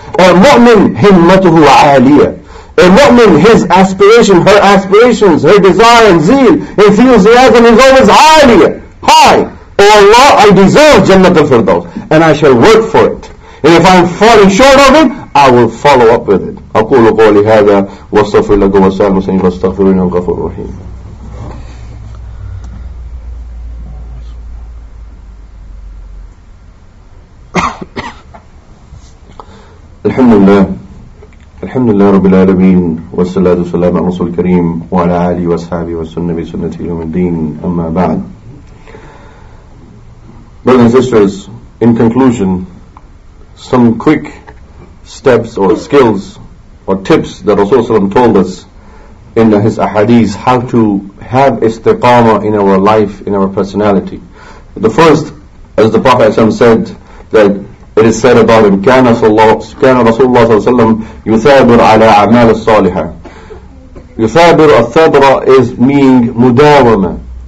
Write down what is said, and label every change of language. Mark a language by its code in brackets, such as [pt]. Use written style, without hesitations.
[en] A mu'min himmatuhu aliyah. A mu'min, his aspiration, her aspirations, her desire and zeal, enthusiasm is always aliyah. Hi, O Allah, I deserve Jannat al-Firdaus, and I shall work for it. And if I'm falling short of it, I will follow up with it. [ar] أقول قولي هذا واستغفر لكم وسائر المسلمين فاستغفروه إنه غفور رحيم. الحمد لله الحمد لله رب العالمين والصلاة والسلام على رسول الكريم وعلى آله وصحبه وسنة بسنته يوم الدين أما بعد. [en] Brothers and sisters, in conclusion, some quick steps or skills or tips that Rasulullah ﷺ told us in his ahadith, how to have istiqamah in our life, in our personality. The first, as the Prophet ﷺ said, that it is said about him, كان Rasulullah ﷺ [ar] يثابر على أعمال الصالحة. يثابر الثابرة [en] is meaning [ar] مداومة.